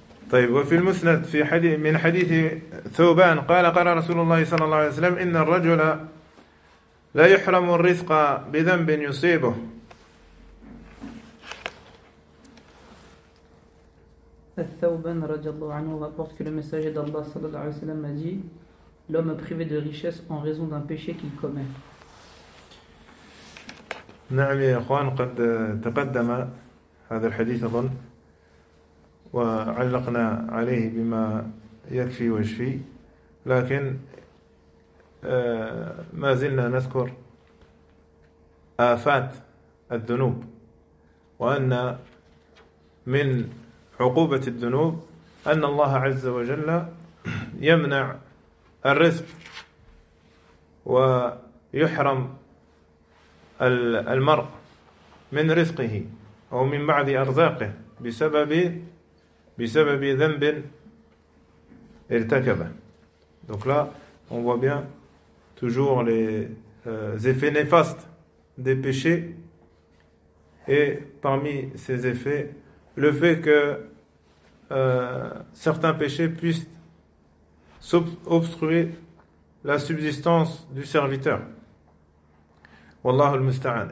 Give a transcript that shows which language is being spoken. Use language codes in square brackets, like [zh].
[ar] طيب، وفي المسند في حديث من حديث ثوبان قال قال رسول الله صلى الله عليه وسلم: إن الرجل لا يحرم الرزق بذنب يصيبه. الثوبان رضي الله عنه [fr] rapporte que le messager d'Allah [ar] صلى الله عليه وسلم [fr] a dit: l'homme est privé de richesse en raison d'un péché qu'il commet. [ar] نعم يا اخوان، قد تقدم هذا الحديث اظن وعلقنا عليه بما يكفي ويشفي، لكن ما زلنا نذكر آفات الذنوب، وأن من عقوبة الذنوب أن الله عز وجل يمنع الرزق ويحرم المرء من رزقه أو من بعض أرزاقه بسبب ذنب ارتكبه. [fr] Donc là, on voit bien toujours les effets néfastes des péchés, et parmi ces effets, le fait que certains péchés puissent obstruer la subsistance du serviteur. Wallahu al-musta'an.